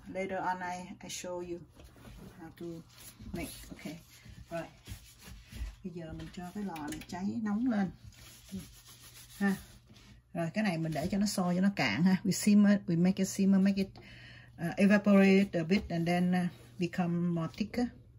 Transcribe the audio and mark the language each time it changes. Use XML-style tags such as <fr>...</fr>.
<en>Later on I show you how to make. Okay. Rồi.</en> <vi>Bây giờ mình cho cái lò này cháy nóng lên. Ha. Rồi cái này mình để cho nó sôi cho nó cạn ha.</vi> <en>We simmer, we make it simmer, make it evaporate a bit and then become more thicker.</en>